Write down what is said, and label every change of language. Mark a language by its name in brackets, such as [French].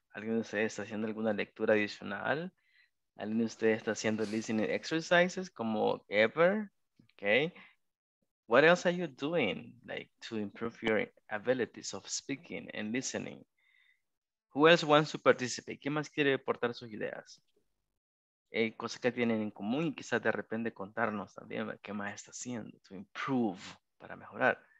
[Spanish] ¿Alguien de ustedes está haciendo alguna lectura adicional? ¿Alguien de ustedes está haciendo listening exercises como ever? [English] Okay. What else are you doing like to improve your abilities of speaking and listening? Who else wants to participate? [Spanish] ¿Quién más quiere aportar sus ideas? Cosas que tienen en común y quizás de repente contarnos también qué más está haciendo [English] to improve, [Spanish] para mejorar.